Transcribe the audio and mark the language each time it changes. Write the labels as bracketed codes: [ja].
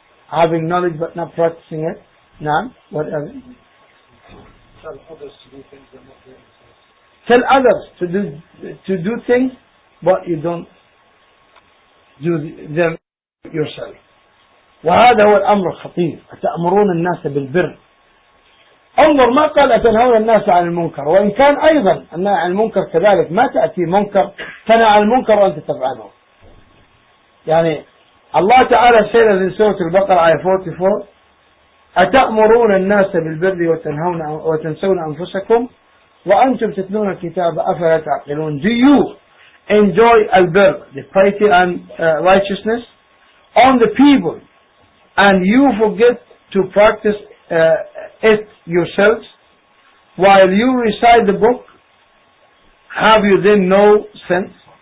[en] Having knowledge but not practicing it. نعم. What else? Tell others to do things that not doing. Tell others to do things, but you don't do them yourself. [ar] وهذا هو الأمر الخطير. أتأمرون الناس بالبر. انظر ما قال أتنهون الناس عن المنكر. وإن كان أيضا أن المنكر كذلك ما تأتي منكر تنع المنكر وأنت تفعله. يعني الله تعالى سيد في سورة البقرة آية 44 أتأمرون الناس بالبر وتنهون وتنسون أنفسكم وأنتم تتلون الكتاب أفلا تعقلون. [en] Do you enjoy البر, the piety and righteousness on the people and you forget to practice it yourselves while you recite the book? Have you then no sense?